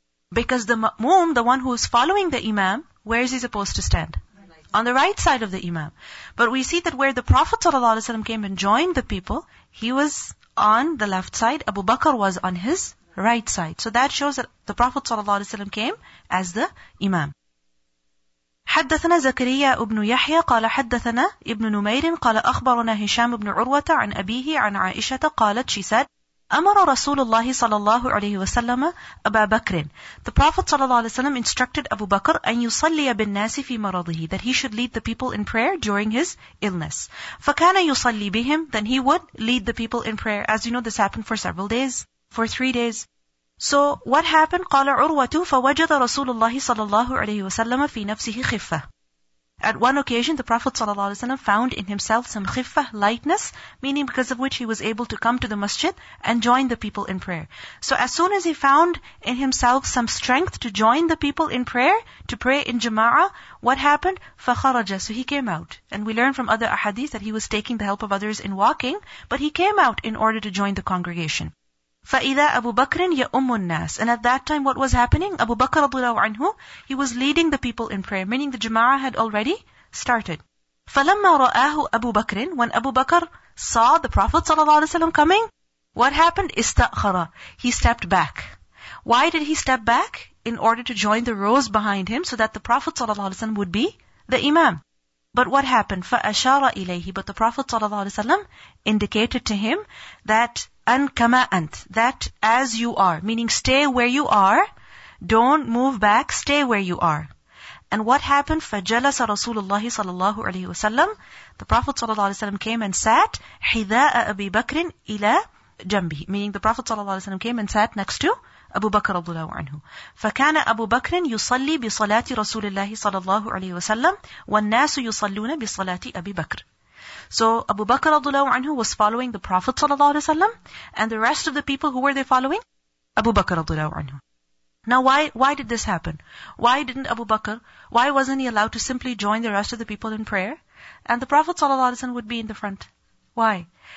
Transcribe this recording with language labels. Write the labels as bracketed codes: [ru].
[en] Because the ma'mum, the one who is following the imam, where is he supposed to stand? on the right side of the imam. But we see that where the Prophet ﷺ came and joined the people, he was on the left side, Abu Bakr was on his right side. So that shows that the Prophet ﷺ came as the imam. [ar] حدثنا زكريا ابن يحيى قال حدثنا ابن نمير قال أخبرنا هشام بن عروة عن أبيه عن عائشة قالت she said أمر رسول الله صلى الله عليه وسلم أبا بكر. [en] The Prophet صلى الله عليه وسلم instructed Abu Bakr أن يصلي بالناس في مرضه, that he should lead the people in prayer during his illness. فكان يصلي بهم, then he would lead the people in prayer. As you know, this happened for several days, for 3 days. So what happened? [ar] قال عروة فوجد رسول الله صلى الله عليه وسلم في نفسه خفة. [en] At one occasion, the Prophet ﷺ found in himself some khiffah, lightness, meaning because of which he was able to come to the masjid and join the people in prayer. So as soon as he found in himself some strength to join the people in prayer, to pray in jama'ah, what happened? فَخَرَجَ. So he came out. And we learn from other ahadith that he was taking the help of others in walking, but he came out in order to join the congregation. فَإِذَا أَبُو بَكْرٍ يَأُمُّ النَّاسِ. And at that time, what was happening? Abu Bakr رضي الله عنه, he was leading the people in prayer, meaning the jama'ah had already started. فَلَمَّا رَآهُ أَبُو بَكْرٍ, when Abu Bakr saw the Prophet صلى الله عليه وسلم coming, what happened? استأخر. He stepped back. Why did he step back? In order to join the rows behind him, so that the Prophet صلى الله عليه وسلم would be the imam. But what happened? [ar] فَأَشَارَ إِلَيْهِ. [en] But the Prophet صلى الله عليه وسلم indicated to him that أن كما أنت, that as you are, meaning stay where you are, don't move back, stay where you are. And what happened? [ar] فجلس رسول الله صلى الله عليه وسلم. [en] The Prophet صلى الله عليه وسلم came and sat حذاء أبي بكر إلى جنبه, meaning the Prophet صلى الله عليه وسلم came and sat next to Abu Bakr رضي الله عنه. [ar] فكان أبو بكر يصلي بصلاة رسول الله صلى الله عليه وسلم والناس يصلون بصلاة أبي بكر. [en] So Abu Bakr radhiyallahu anhu was following the Prophet sallallahu alaihi wasallam, and the rest of the people, who were they following? Abu Bakr radhiyallahu anhu. Now why did this happen? Why didn't Abu Bakr, why wasn't he allowed to simply join the rest of the people in prayer, and the Prophet sallallahu alaihi wasallam would be in the front? Why?